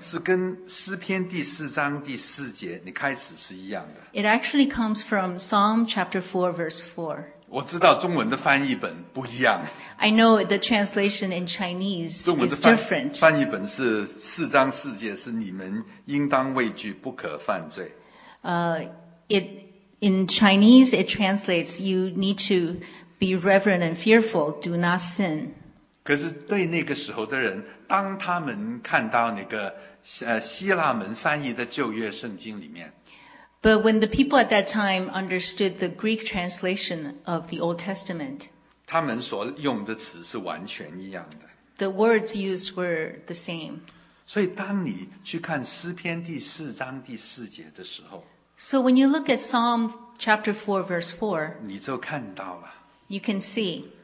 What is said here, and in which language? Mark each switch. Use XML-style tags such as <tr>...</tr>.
<zh>是跟诗篇第四章第四节你开始是一样的。</zh> <en>It actually comes from Psalm chapter 4 verse 4.</en> <zh>我知道中文的翻译本不一样。</zh> <en>I know the translation in Chinese is different.</en> <zh>翻译本是四章四节是你们应当畏惧不可犯罪。</zh> <en>In Chinese it translates you need to be reverent and fearful, do not sin.</en> <zh>可是对那个时候的人，当他们看到那个希腊文翻译的旧约圣经里面</zh> <en>，But when the people at that time understood the Greek translation of the Old Testament，</en> <zh>他们所用的词是完全一样的。</zh> <en>The words used were the same。</en> <zh>所以当你去看诗篇第四章第四节的时候</zh> <en>，So when you look at Psalm chapter 4 verse 4，</en> <zh>你就看到了。</zh> <en>You can see。</en>